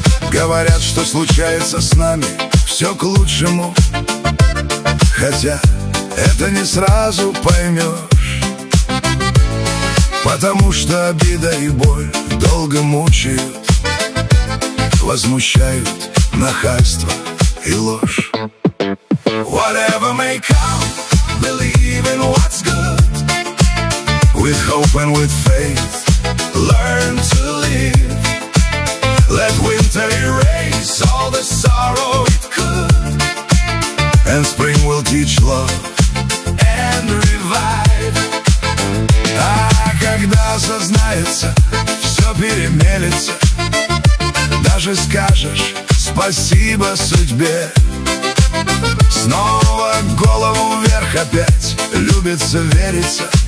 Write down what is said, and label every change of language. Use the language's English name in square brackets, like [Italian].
[Russian] Говорят, что случается с нами все к лучшему, хотя это не сразу поймешь. Потому что обида и боль долго мучают, возмущают нахальство и ложь. [English] Whatever may come, believe in what's good. With hope and with faith, learn to live. Let winter erase all the sorrow it could. And spring will teach love and revive. [Russian] Когда осознается, все перемелется. Даже скажешь спасибо судьбе. Снова голову вверх опять любится, верится.